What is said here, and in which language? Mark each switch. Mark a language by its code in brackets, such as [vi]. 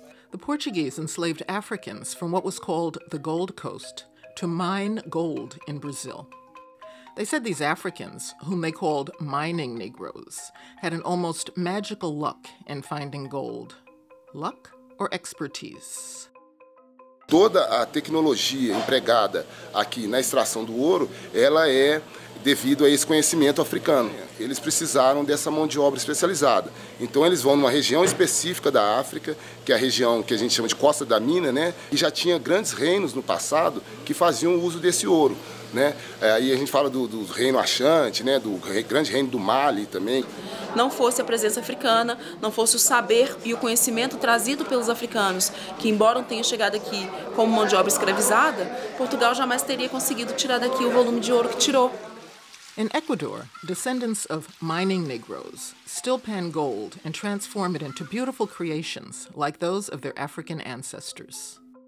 [en] The Portuguese enslaved Africans from what was called the Gold Coast to mine gold in Brazil. They said these Africans, whom they called mining Negroes, had an almost magical luck in finding gold. Luck or expertise? [pt] Toda a tecnologia empregada aqui na extração do ouro, ela é devido a esse conhecimento africano. Eles precisaram dessa mão de obra especializada. Então eles vão numa região específica da África, que é a região que a gente chama de Costa da Mina, né? E já tinha grandes reinos no passado que faziam uso desse ouro, né? Aí a gente fala do reino Axante, né? Do grande reino do Mali também. Não fosse a presença africana, não fosse o saber e o conhecimento trazido pelos africanos, que embora tenham chegado aqui como mão de obra escravizada, Portugal jamais teria conseguido tirar daqui o volume de ouro que tirou. [en] In Ecuador, descendants of mining Negroes still pan gold and transform it into beautiful creations like those of their African ancestors.